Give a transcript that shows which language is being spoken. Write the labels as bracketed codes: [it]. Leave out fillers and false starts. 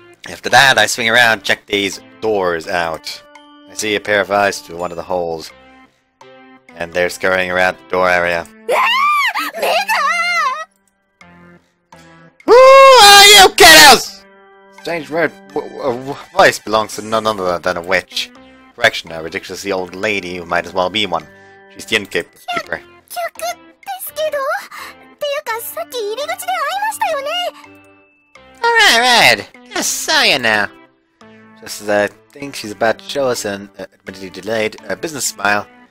[en] After that, I swing around, check these doors out. I see a pair of eyes through one of the holes, and they're scurrying around the door area. Mega! Who are you, kiddos? Strange word. Voice belongs to none other than a witch. Correction, a ridiculously old lady who might as well be one. She's the innkeeper. [ja] 客ですけど、っていうかさっき入り口で会いましたよね。 [en] Alright, right. Yes, so you know. Just as I think she's about to show us an admittedly delayed business smile.